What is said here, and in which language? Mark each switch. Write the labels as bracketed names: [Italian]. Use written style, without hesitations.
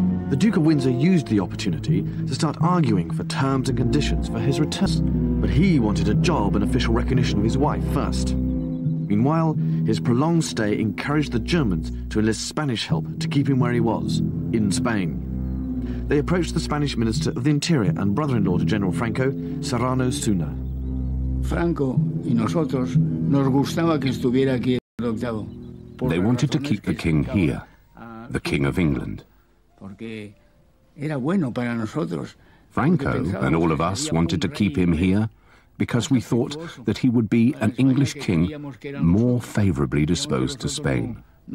[English] The Duke of Windsor used the opportunity to start arguing for terms and conditions for his return, but he wanted a job and official recognition of his wife first. Meanwhile, his prolonged stay encouraged the Germans to enlist Spanish help to keep him where he was, in Spain. They approached the Spanish Minister of the Interior and brother-in-law to General Franco, Serrano Suna. [Spanish] Franco y nosotros nos gustaba que estuviera aquí. [English] They wanted to keep the king here, the King of England. Franco and all of us wanted to keep him here because we thought that he would be an English king more favorably disposed to Spain.